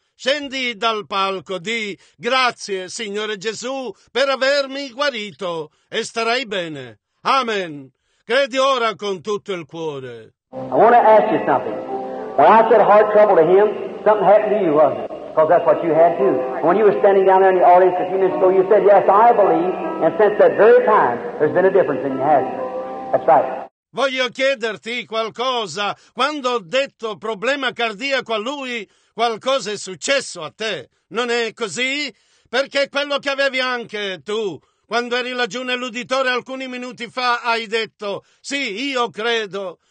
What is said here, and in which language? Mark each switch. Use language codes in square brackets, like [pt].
[it] Scendi dal palco, di grazie, Signore Gesù, per avermi guarito e starai bene. Amen. Credi ora con tutto il cuore. [en] I want to ask you something. When I said heart trouble to him, something happened to you, wasn't it? Because that's what you had too. When you were standing down there in the audience a few minutes ago, you said, yes, I believe. And since that very time, there's been a difference in you, hasn't there? That's right. [it] Voglio chiederti qualcosa. Quando ho detto problema cardiaco a lui, qualcosa è successo a te, non è così? Perché quello che avevi anche tu, quando eri laggiù nell'uditore alcuni minuti fa, hai detto, sì, io credo.